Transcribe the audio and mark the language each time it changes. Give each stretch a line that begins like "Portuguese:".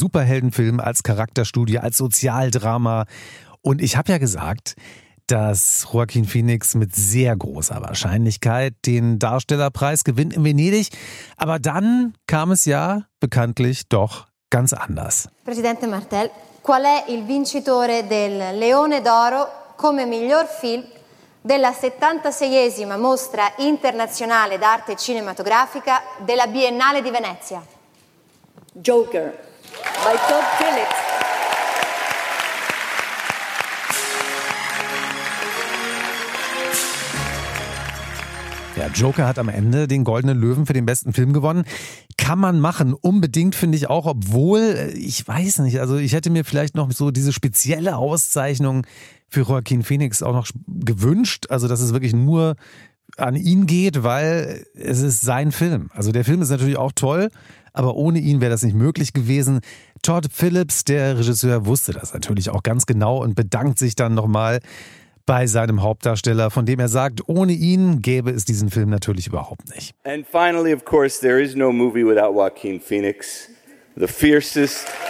German: Superheldenfilm als Charakterstudie, als Sozialdrama. Und ich habe ja gesagt, dass Joaquin Phoenix mit sehr großer Wahrscheinlichkeit den Darstellerpreis gewinnt in Venedig. Aber dann kam es ja bekanntlich doch ganz anders.
Italian: Presidente Martel, qual è il vincitore del Leone d'Oro come miglior film della 76esima Mostra Internazionale d'Arte Cinematografica della Biennale di Venezia?
English: Joker, by Todd Phillips.
German: Ja, Joker hat am Ende den Goldenen Löwen für den besten Film gewonnen. Kann man machen, unbedingt, finde ich auch, obwohl, ich weiß nicht, also ich hätte mir vielleicht noch so diese spezielle Auszeichnung für Joaquin Phoenix auch noch gewünscht, also dass es wirklich nur an ihn geht, weil es ist sein Film. Also der Film ist natürlich auch toll, aber ohne ihn wäre das nicht möglich gewesen. Todd Phillips, der Regisseur, wusste das natürlich auch ganz genau und bedankt sich dann nochmal bei seinem Hauptdarsteller, von dem er sagt, ohne ihn gäbe es diesen Film natürlich überhaupt nicht.
English: And finally, of course, there is no movie without Joaquin Phoenix. The fiercest.